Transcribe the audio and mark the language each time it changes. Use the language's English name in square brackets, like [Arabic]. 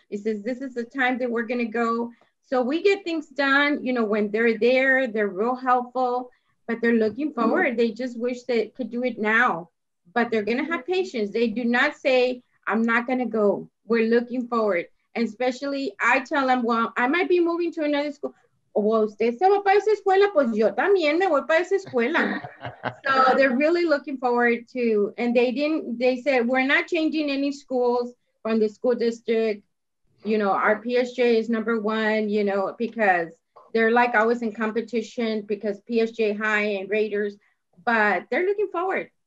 [English] It says, this is the time that we're going to go. So we get things done, you know, when they're there, they're real helpful, but they're looking forward. Mm-hmm. They just wish they could do it now, but they're going to have patience. They do not say, I'm not going to go. We're looking forward. And especially I tell them, well, I might be moving to another school. [Spanish] Well, usted se va para esa escuela, pues yo también me voy para esa escuela. [English] So they're really looking forward to, and they said, we're not changing any schools from the school district. You know, our PSJ is number one, you know, because they're like always in competition because PSJ High and Raiders, but they're looking forward.